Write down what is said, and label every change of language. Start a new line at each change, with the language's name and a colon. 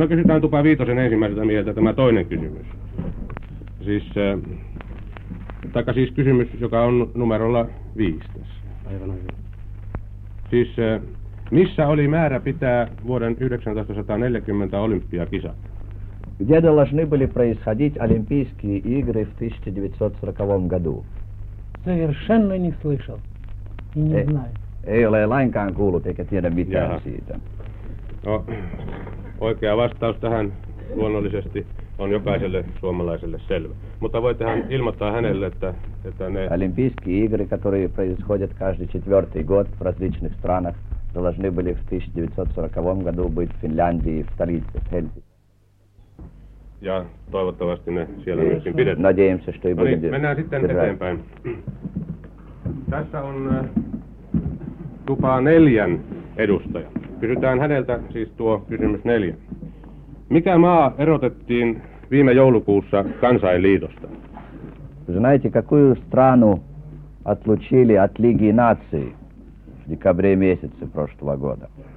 Finnish: No kysytään tupa Viitosen ensimmäiseltä mieltä tämä toinen kysymys. Siis, taikka siis kysymys, joka on numerolla 5 tässä. Aivan oikein. Siis, missä oli määrä pitää vuoden 1940 olympiakisat?
Russian: Где должны были происходить Олимпийские игры в 1940 году? Совершенно не слышал. И не знаю.
Finnish: Ei ole lainkaan kuullut, eikä tiedä mitään. Jaha. Siitä. No, oikea vastaus tähän luonnollisesti on jokaiselle suomalaiselle selvä. Mutta voitehan ilmoittaa hänelle, että ne...
Russian: Олимпийские игры, которые происходят каждый четвертый год в различных странах, должны были в 1940 году быть в Финляндии, в столице, в Хельсинки.
Finnish: Ja toivottavasti ne siellä myöskin pidetään.
Russian: Надеемся, что и будет.
Finnish: Mennään sitten eteenpäin. Tässä on tupaa neljän edustaja. Kysytään häneltä siis tuo kysymys neljä. Mikä maa erotettiin viime joulukuussa Kansainliitosta?
Russian: Знаете, какую страну отлучили от Лиги наций в декабре месяце прошлого года?